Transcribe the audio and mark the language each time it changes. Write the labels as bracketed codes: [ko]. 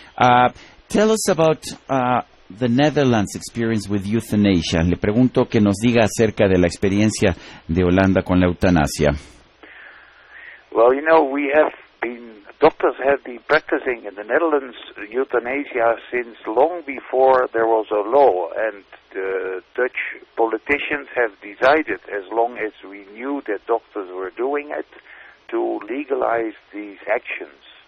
[en] Tell us about the Netherlands' experience with euthanasia. [es] Le pregunto que nos diga acerca de la experiencia de Holanda con la eutanasia. [en] Well, you know, doctors have been practicing in the Netherlands euthanasia since long before there was a law, and the Dutch politicians have decided, as long as we knew that doctors were doing it, to legalize these actions.